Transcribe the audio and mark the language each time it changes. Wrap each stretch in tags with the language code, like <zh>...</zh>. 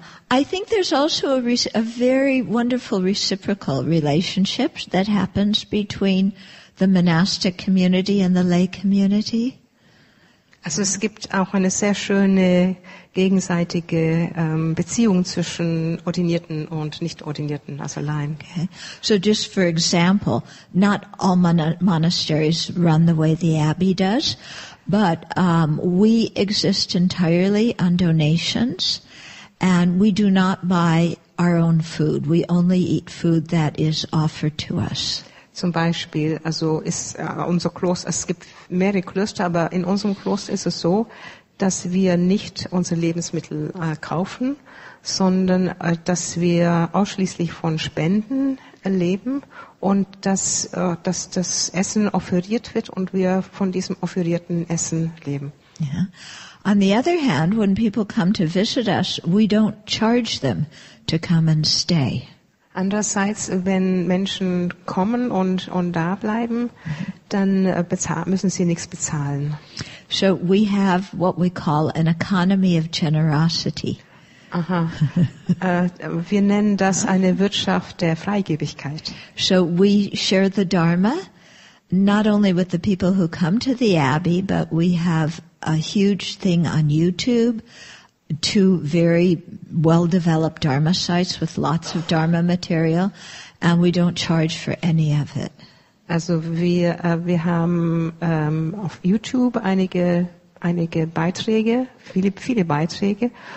<en>I think there's also a very wonderful reciprocal relationship that happens between the monastic community and the lay community.</en> <de>Also es gibt auch eine sehr schöne gegenseitige Beziehung zwischen Ordinierten und Nicht-Ordinierten, also Laien.</de> <en>Okay. So just for example, not all monasteries run the way the Abbey does, but we exist entirely on donations, and we do not buy our own food. We only eat food that is offered to us.</en> <de>Zum Beispiel, also ist unser Kloster, es gibt mehrere Klöster, aber in unserem Kloster ist es so, dass wir nicht unsere Lebensmittel kaufen, sondern dass wir ausschließlich von Spenden leben und dass das Essen offeriert wird und wir von diesem offerierten Essen leben.</de> <en>Yeah. On the other hand, when people come to visit us, we don't charge them to come and stay.</en> <de>Andererseits, wenn Menschen kommen und da bleiben, dann müssen sie nichts bezahlen.</de> <en>So we have what we call an economy of generosity.</en> <de>Aha. Wir nennen das eine Wirtschaft der Freigebigkeit.</de> <en>So we share the Dharma, not only with the people who come to the Abbey, but we have a huge thing on YouTube. Two very well-developed Dharma sites with lots of Dharma material, and we don't charge for any of it.</en> <de>Also wir haben auf YouTube einige Beiträge, viele Beiträge,</de>